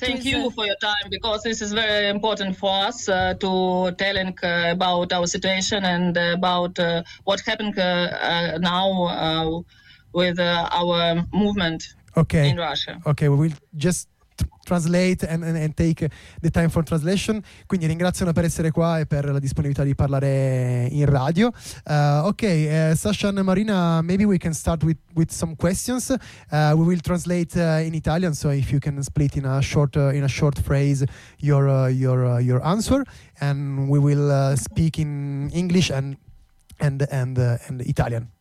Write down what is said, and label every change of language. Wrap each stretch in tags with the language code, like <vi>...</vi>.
<en>Thank you for your time, because this is very important for us to telling about our situation and about what happened now with our movement in Russia. Okay, we will just translate and take the time for translation.</en> <it>Quindi ringraziano per essere qua e per la disponibilità di parlare in radio.</it> <en>Okay, Sasha and Marina, maybe we can start with some questions. We will translate in Italian, so if you can split in a short phrase your answer, and we will speak in English and Italian.</en>